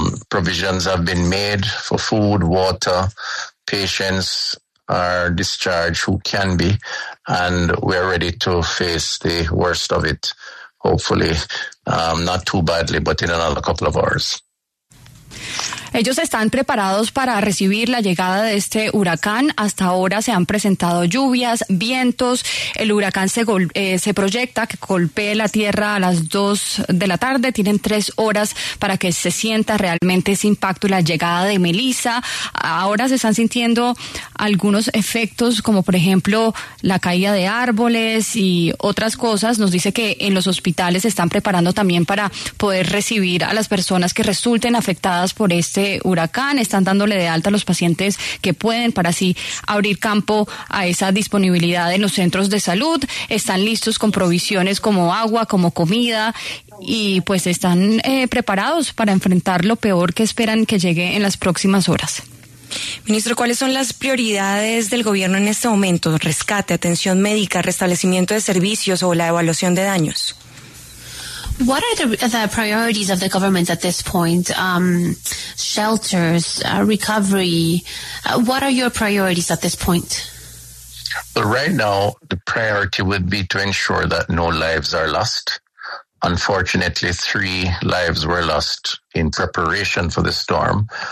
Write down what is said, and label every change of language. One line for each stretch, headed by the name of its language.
English: Provisions have been made for food, water. Patients are discharged who can be. And we are ready to face the worst of it, hopefully. Not too badly, but in another couple of hours.
Spanish: Ellos están preparados para recibir la llegada de este huracán. Hasta ahora se han presentado lluvias, vientos. El huracán se proyecta que golpee la tierra a las 2 de la tarde. Tienen 3 horas para que se sienta realmente ese impacto y la llegada de Melissa. Ahora se están sintiendo algunos efectos, como por ejemplo la caída de árboles y otras cosas. Nos dice que en los hospitales se están preparando también para poder recibir a las personas que resulten afectadas por este huracán. Están dándole de alta a los pacientes que pueden para así abrir campo a esa disponibilidad en los centros de salud. Están listos con provisiones como agua, como comida, y pues están preparados para enfrentar lo peor que esperan que llegue en las próximas horas. Ministro, ¿cuáles son las prioridades del gobierno en este momento? ¿Rescate, atención médica, restablecimiento de servicios o la evaluación de daños?
English: What are the priorities of the government at this point? Shelters, recovery. What are your priorities at this point? Well, right now, the priority would be to ensure that no lives are lost. Unfortunately, 3 lives were lost in preparation for the storm.